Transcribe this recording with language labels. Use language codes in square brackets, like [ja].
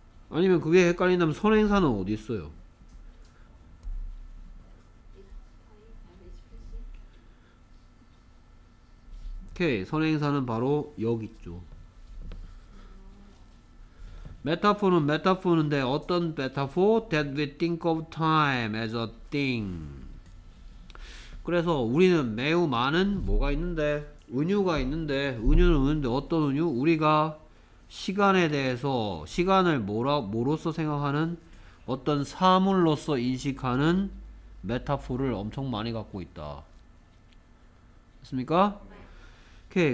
[ko] 아니면 그게 헷갈린다면 선행사는 어디 있어요? 오케이, 선행사는 바로 여기 있죠. 메타포는 메타포인데 어떤 메타포? [en] That we think of time as a thing. [ko] 그래서 우리는 매우 많은 뭐가 있는데? 은유가 있는데, 은유는 은유인데 어떤 은유? 우리가 시간에 대해서 시간을 뭐로서 생각하는 어떤 사물로서 인식하는 메타포를 엄청 많이 갖고 있다. 됐습니까? 오케이.